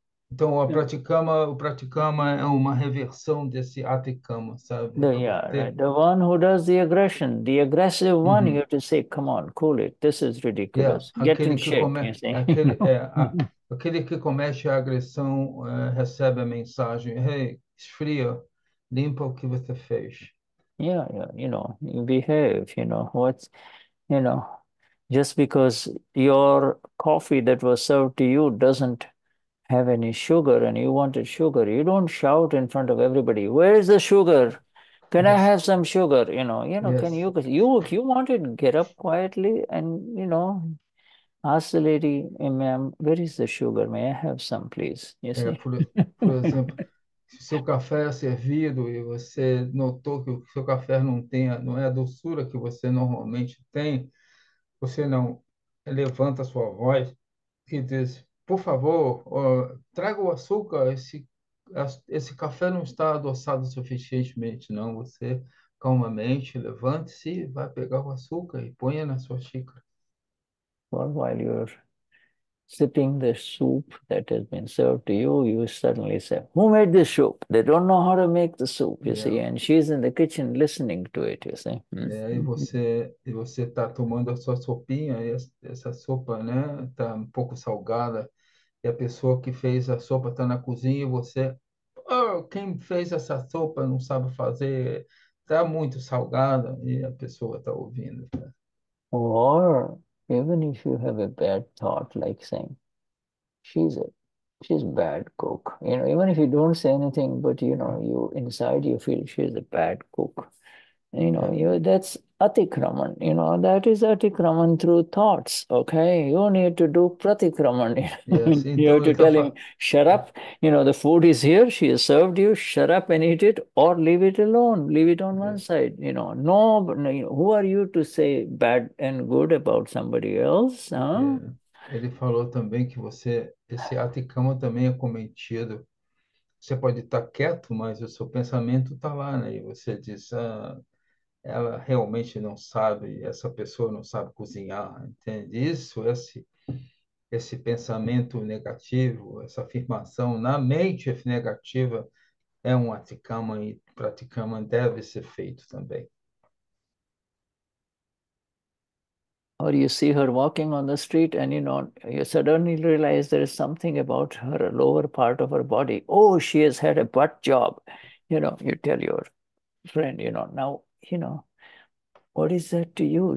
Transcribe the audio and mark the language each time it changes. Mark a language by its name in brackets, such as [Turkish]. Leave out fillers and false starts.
[Portuguese] Então, o pratikrama é uma reversão desse atikrama, sabe? [English] The, yeah, right. The one who does the aggression, the aggressive one, you have to say, come on, cool it, this is ridiculous. Yeah. Get [Portuguese] Aquele [English] in [Portuguese] que [English] shape, [Portuguese] comete, [English] you see? [Portuguese] aquele, é, a, aquele que comete a agressão recebe a mensagem, hey, esfria, limpa o que você fez. [English] You know, you behave, you know, what's, you know, just because your coffee that was served to you doesn't have any sugar and you wanted sugar, you don't shout in front of everybody, where is the sugar? Can I have some sugar? You know, can you, you wanted, get up quietly and, you know, ask the lady, hey, ma'am, where is the sugar? May I have some, please? You see? [Portuguese] Por exemplo, se o seu café é servido e você notou que o seu café não é a doçura que você normalmente tem, você não levanta a sua voz e diz, por favor, traga o açúcar, esse café não está adoçado suficientemente, não. Você calmamente levante-se, vai pegar o açúcar e ponha na sua xícara. [English] While you're sipping the soup that has been served to you, you suddenly say, who made this soup? They don't know how to make the soup, you see, and she's in the kitchen listening to it, you see. [Portuguese] E você está tomando a sua sopinha, essa sopa, né, está um pouco salgada, e a pessoa que fez a sopa está na cozinha e você, oh, quem fez essa sopa não sabe fazer, está muito salgada, e a pessoa está ouvindo. [English] Or, even if you have a bad thought, like saying, she's a bad cook. You know, even if you don't say anything, but you know, you inside you feel she's a bad cook. You know, that's atikraman. You know, that is atikraman through thoughts. Okay, you need to do pratikraman. You have to tell him, shut up. You know, the food is here. She has served you. Shut up and eat it, or leave it alone. Leave it on one side. You know, no. Who are you to say bad and good about somebody else? [Portuguese] Ele falou também que esse atikama também é cometido. Você pode estar quieto, mas o seu pensamento está lá, né? E você diz, ela realmente não sabe, essa pessoa não sabe cozinhar, entende? Isso, esse pensamento negativo, essa afirmação na mente negativa é um atikama, e pratikama deve ser feito também. [English] Or you see her walking on the street and you know, you suddenly realize there is something about her lower part of her body. Oh, she has had a butt job. You know, you tell your friend, you know, now, you know, what is that to you?